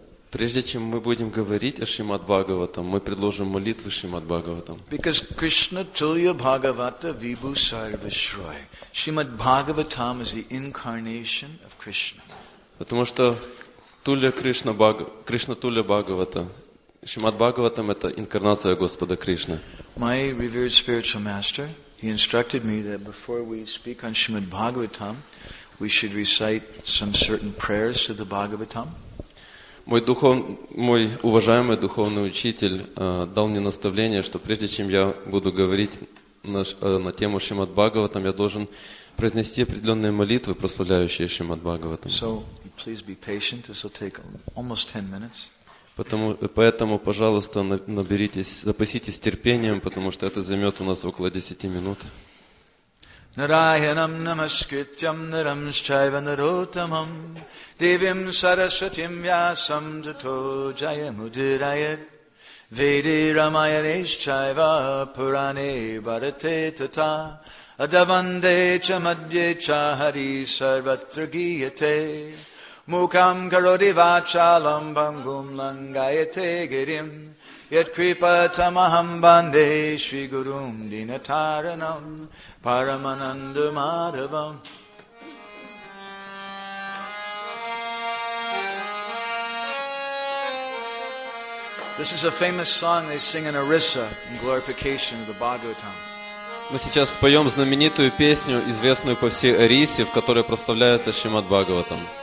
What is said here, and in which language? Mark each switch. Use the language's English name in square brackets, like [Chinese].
[Russian] Прежде чем мы будем говорить о Шримад Бхагаватам, мы предложим молитву Шримад Бхагаватам. [English] Because [Sanskrit] Krishna Tulya Bhagavata Vibhu Sarvashroy. [English] Shrimad Bhagavatam is the incarnation of Krishna. [Russian] Потому что Тулья Кришна Бхагавата, Кришна Тулья Бхагавата, Шримад Бхагаватам это инкарнация Господа Кришны. [English] My revered spiritual master, he instructed me that before we speak on Shrimad Bhagavatam, we should recite some certain prayers to the Bhagavatam. [Russian] Мой уважаемый духовный учитель дал мне наставление, что прежде чем я буду говорить на тему Шримад Бхагаватам, я должен произнести определенные молитвы, прославляющие Шримад Бхагаватам. [English] So, please be patient, this will take almost 10 minutes. [Russian] Поэтому, пожалуйста, наберитесь, запаситесь терпением, потому что это займет у нас около 10 минут. [Sanskrit] Narayanam namaskrityam naram shaiva narottamam devim sarasvatim vyasam tato jayamudirayat vede ramayane shaiva purane bharate tata adavande cha madhye cha hari sarvatra giyate mukham karoti vachalam bangum langayate girim yat kripa tamaham bande shri gurum dinataranam paramananda madhavam. [English] This is a famous song they sing in Orissa in glorification of the Bhagavatam. [Russian] Мы сейчас споем знаменитую песню, известную по всей Орисе, в которой прославляется Шримад Бхагаватам.